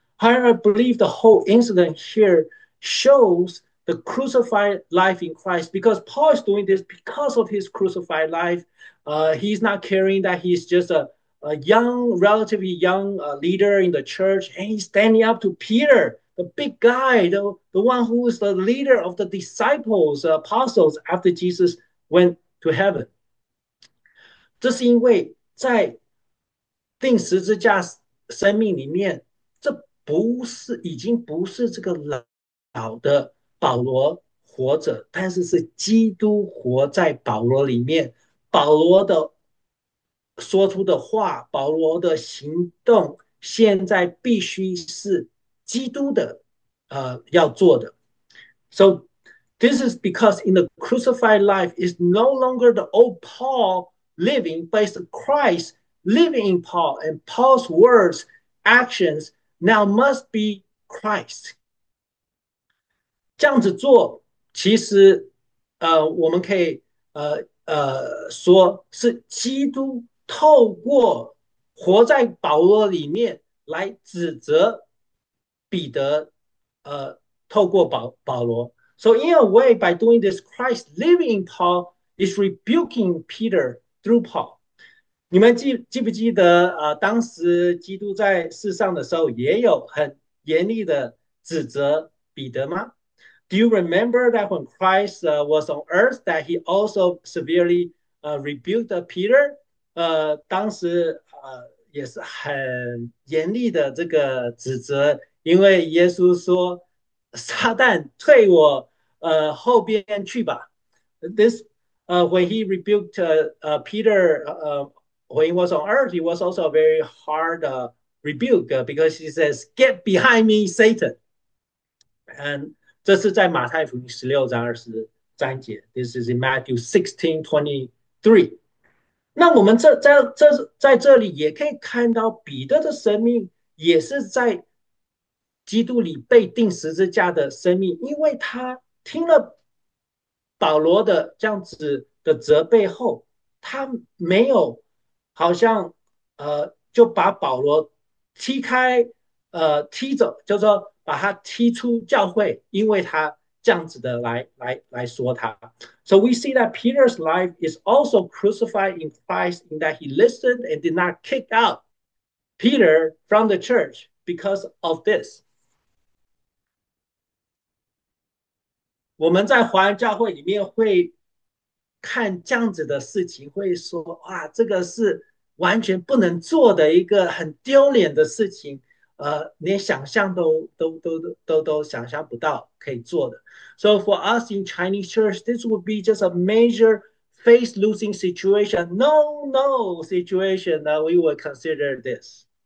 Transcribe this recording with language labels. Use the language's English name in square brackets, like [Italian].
[English] However, I believe the whole incident here shows the crucified life in Christ because Paul is doing this because of his crucified life. He's not caring that he's just a young, relatively young leader in the church, and he's standing up to Peter. The big guy, the one who is the leader of the disciples, apostles after Jesus went to heaven. [Chinese] 这是因为在钉十字架生命里面，这不是已经不是这个老的保罗活着，但是是基督活在保罗里面。保罗的说出的话，保罗的行动，现在必须是基督的。要做的。 [English] So this is because in the crucified life is no longer the old Paul living, but it's Christ living in Paul, and Paul's words, actions now must be Christ. [Chinese] 这样子做，其实我们可以说是基督透过活在保罗里面来指责彼得。透过保罗， [English] So in a way, by doing this, Christ living in Paul is rebuking Peter through Paul. [Chinese] 你们记不记得，当时基督在世上的时候，也有很严厉的指责彼得吗？ [English] Do you remember that when Christ was on earth, that he also severely rebuked Peter？ [Chinese] 当时也是很严厉的这个指责，因为耶稣说。撒旦，退我后边去吧。 [English] When he rebuked Peter, when he was on earth, he was also a very hard rebuke because he says, "Get behind me, Satan." And [Chinese] 这是在马太福音16:23。 [English] This is in Matthew 16:23。 [Chinese] 那我们在这里也可以看到彼得的生命也是在。基督里被钉十字架的生命，因为他听了保罗的这样子的责备后，他没有好像就把保罗踢开，踢走，就是说把他踢出教会，因为他这样子的来说他。 [English] So we see that Peter's life is also crucified in Christ in that he listened and did not kick out Peter from the church because of this. [Chinese] 我们在华人教会里面会看这样子的事情，会说啊，这个是完全不能做的一个很丢脸的事情，连想象都想象不到可以做的。 [English] So for us in Chinese church, this would be just a major face losing situation, no no situation that we would consider this.